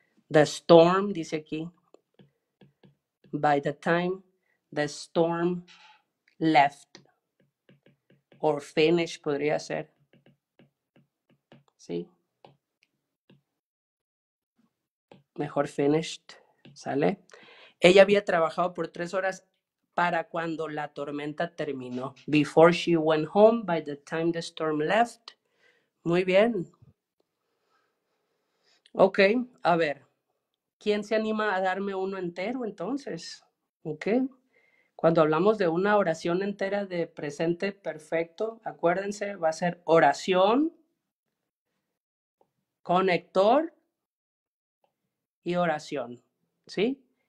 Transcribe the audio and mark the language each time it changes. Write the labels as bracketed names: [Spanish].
[English] The storm, [Spanish] dice aquí. [English] By the time, the storm left. Or finish [Spanish] podría ser. ¿Sí? Mejor finished. ¿Sale? Ella había trabajado por 3 horas para cuando la tormenta terminó. [English] Before she went home, by the time the storm left. [Spanish] Muy bien. Ok, a ver. ¿Quién se anima a darme uno entero entonces? Ok. Cuando hablamos de una oración entera de presente perfecto, acuérdense, va a ser oración, conector y oración. ¿Sí?